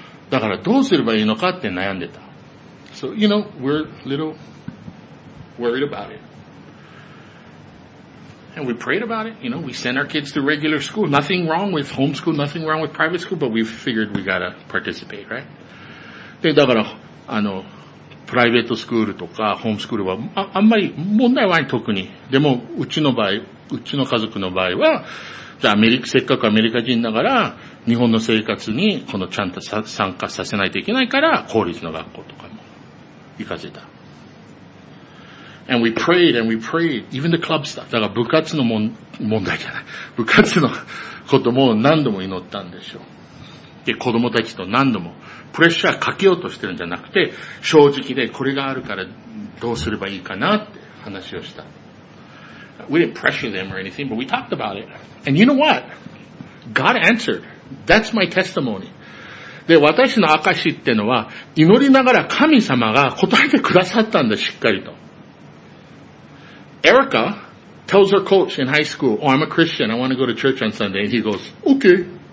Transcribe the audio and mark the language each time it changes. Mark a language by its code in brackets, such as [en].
[ja] だからどうすればいいのかって悩んでた。 [en] So, you know, we're a little worried about it. And we prayed about it, you know, we sent our kids to regular school. Nothing wrong with homeschool, nothing wrong with private school, but we figured we gotta participate, right? [ja] で、だから、プライベートスクールとかホームスクールは あんまり問題はない特に。でもうちの場合、うちの家族の場合は、じゃあせっかくアメリカ人だから日本の生活にこのちゃんと参加させないといけないから公立の学校とかも行かせた。 [en] And we prayed and we prayed, even the club stuff. [ja] だから部活の問題じゃない。部活のことも何度も祈ったんでしょう。で、子供たちと何度もプレッシャーかけようとしてるんじゃなくて、正直でこれがあるからどうすればいいかなって話をした。 [en] We didn't pressure them or anything, but we talked about it. And you know what? God answered. That's my testimony. [ja] で、私の証ってのは、祈りながら神様が答えてくださったんだ、しっかりと。 [en] Erica tells her coach in high school, Oh, I'm a Christian. I want to go to church on Sunday. And he goes, Okay.